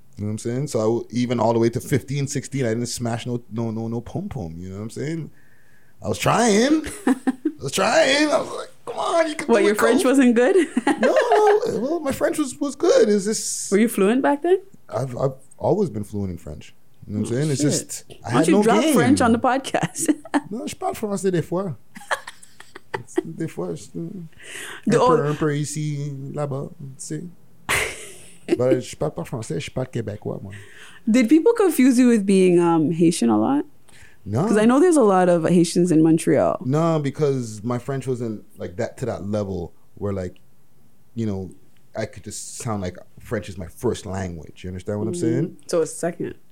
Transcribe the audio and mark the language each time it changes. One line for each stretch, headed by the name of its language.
English: You know what I'm saying? So I, even all the way to 15, 16, I didn't smash no pom-pom. You know what I'm saying? I was trying. I was like, come on, you can do it. What, your French wasn't good? No, my French was good. Is this? Were you fluent back then? I've always been fluent in French. You know what I'm saying? It's just, I had no game. Why don't you drop French on the podcast?
French: No, je parle français des fois. Des fois, je parle un peu ici, là-bas, tu sais. Je parle pas français, je parle québécois, moi.
English: Did people confuse you with being Haitian a lot? No. Because I know there's a lot of Haitians in Montreal. No, because my French wasn't like that to that level where, like, you know, I could just sound like French is my first language. You understand what I'm saying? So it's second.